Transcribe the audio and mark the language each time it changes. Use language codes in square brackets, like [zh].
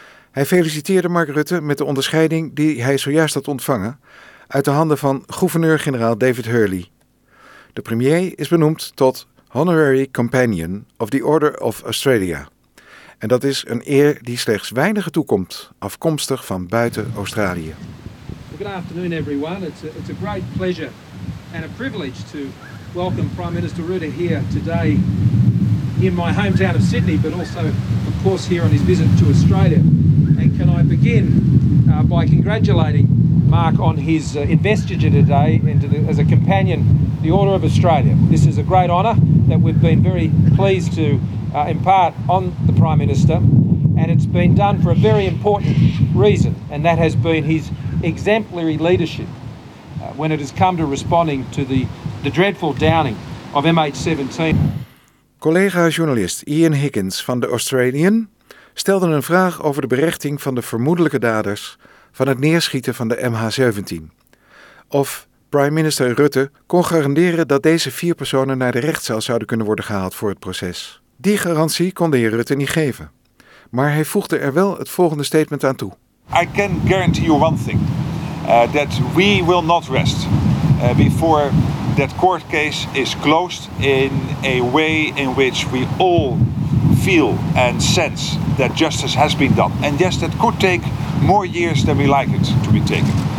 [nl] Hij feliciteerde Mark Rutte met de onderscheiding die hij zojuist had ontvangen uit de handen van gouverneur-generaal David Hurley. De premier is benoemd tot Honorary Companion of the Order of Australia. En dat is een eer die slechts weinigen toekomt, afkomstig van buiten Australië. [en] Good afternoon everyone. It's a great pleasure and a privilege to welcome Prime Minister Rutte here today in my hometown of Sydney, but also of course here on his visit to Australia. And can I begin by congratulating Mark on his investiture today as a companion, the Order of Australia. This is a great honour that we've been very pleased to impart on the Prime Minister, and it's been done for a very important reason, and that has been his exemplary leadership when it has come to responding to the dreadful downing of MH17. [nl] Collega journalist Ian Higgins van The Australian stelde een vraag over de berechting van de vermoedelijke daders van het neerschieten van de MH17. Of Prime Minister Rutte kon garanderen dat deze 4 personen naar de rechtszaal zouden kunnen worden gehaald voor het proces. Die garantie kon de heer Rutte niet geven. Maar hij voegde er wel het volgende statement aan toe. [en] I can guarantee you one thing. That we will not rest before that court case is closed in a way in which we all feel and sense that justice has been done. And yes, that could take more years than we like it to be taken.